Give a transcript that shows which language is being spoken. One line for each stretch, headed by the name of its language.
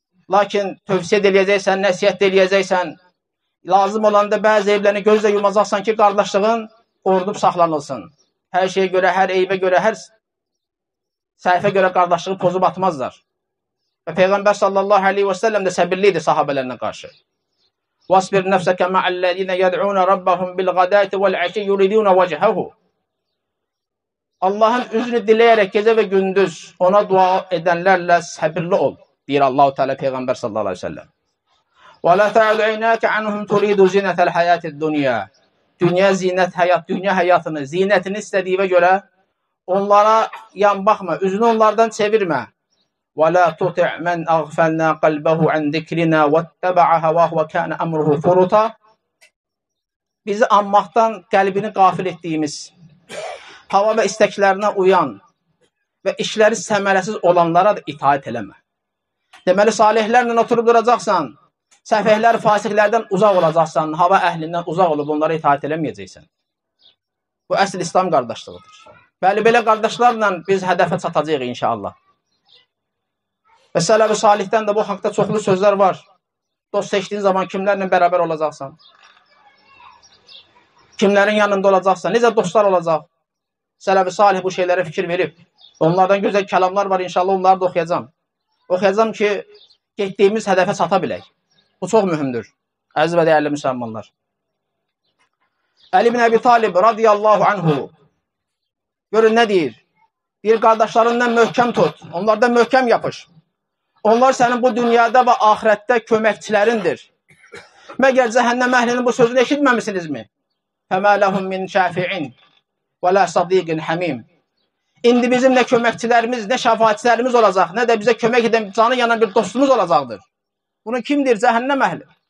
Azerbaijani: Lakin tövsiyə edəcəksən, nəsihət edəcəksən, lazım olanda bəzi evlərini gözlə yumacaqsan ki, qardaşlığın qorunub saxlanılsın. Hər şeyə görə, hər eybə görə, hər səhifə görə qardaşlığı pozub atmazlar. Və Peyğəmbər sallallahu aleyhi ve sellem də səbirliydi sahabələrinə qarşı.
Arabic: واصبر نفسك مع الذين يدعون ربهم بالغداة والعشي يريدون وجهه.
Turkish: Allah'ın üzünü dileyerek gece ve gündüz ona dua edenlerle sabırlı ol, diyor Allah-u Teala Peygamber sallallahu aleyhi ve sellem.
Arabic: وَلَا تَعَدْ عَيْنَاكَ عَنْهُمْ تُرِيدُ زِينَةَ الْحَيَاةِ الدُّنْيَا.
Turkish: Dünya zinet hayat, dünya hayatını, zinetini istediğine göre onlara yan bakma, üzünü onlardan çevirme.
Arabic: وَلَا تُطِعْ مَنْ اَغْفَلْنَا قَلْبَهُ عَنْ ذِكْرِنَا وَاتَّبَعَ هَوَاهُ وَكَانَ اَمْرُهُ فُرُطًا.
Turkish: Bizi anmaktan kalbini gafil ettiğimiz, hava ve isteklerine uyan ve işleri semeresiz olanlara da itaat eleme.
Azerbaijani: Demeli salihlerle oturup duracaksan, səfihlər, fasihlərdən uzaq olacaqsan, hava əhlindən uzaq olub onlara itaat eləməyəcəksən. Bu əsl İslam qardaşlığıdır. Bəli, belə qardaşlarla biz hədəfə çatacaq inşallah. Və sələb-i salihdən də bu haqda çoxlu sözlər var. Dost seçdiyin zaman kimlərlə bərabər olacaqsan, kimlərin yanında olacaqsan, necə dostlar olacaq. Sələb-i salih bu şeylərə fikir verib. Onlardan gözəl kəlamlar var, inşallah onları da oxuyacam. Oxuyacam ki, getdiyimiz hədəfə çata bilək. Bu çox mühümdür, əziz və dəyərli müsəlmanlar. Əli ibn Əbi Talib, radiyallahu anhu, görün nə deyir? Bir qardaşlarından möhkəm tut, onlardan möhkəm yapış. Onlar sənin bu dünyada və ahirətdə köməkçilərindir. Məgər cəhənnəm əhlinin bu sözünü eşitməmisinizmi?
Arabic: Fəmə ləhum min şəfi'in və lə sadiqin həmim.
Azerbaijani: İndi bizim nə köməkçilərimiz, nə şəfaatçilərimiz olacaq, nə də bizə kömək edən canı yanan bir dostumuz olacaqdır. Bunu kimdir? Cəhənnəm əhli.